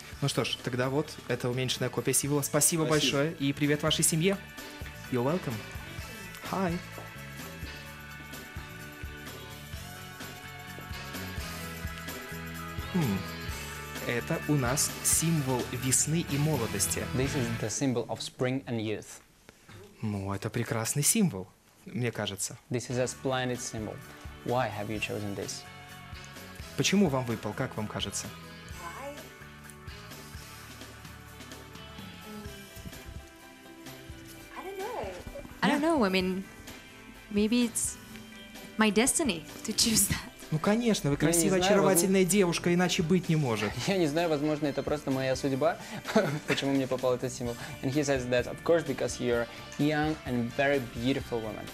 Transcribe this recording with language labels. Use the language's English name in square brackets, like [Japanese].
[Russian] Ну что ж, тогда вот, это уменьшенная копия символа. Спасибо большое, и привет вашей семье. [English] You're welcome. Hi. [Russian] Это у нас символ весны и молодости. [English] This is the symbol of spring and youth. [Russian] Ну, это прекрасный символ, мне кажется. [English] This is a splendid symbol. Why have you chosen this? [Russian] Почему вам выпал, как вам кажется? [English] Why? I don't know. Yeah. I don't know. I mean, maybe it's my destiny to choose that. [Russian] Ну, конечно, вы красивая, знаю, очаровательная девушка, иначе быть не может. Я не знаю, возможно, это просто моя судьба, почему мне попал этот символ. [English] And he says that, of course, because you're young and very beautiful woman.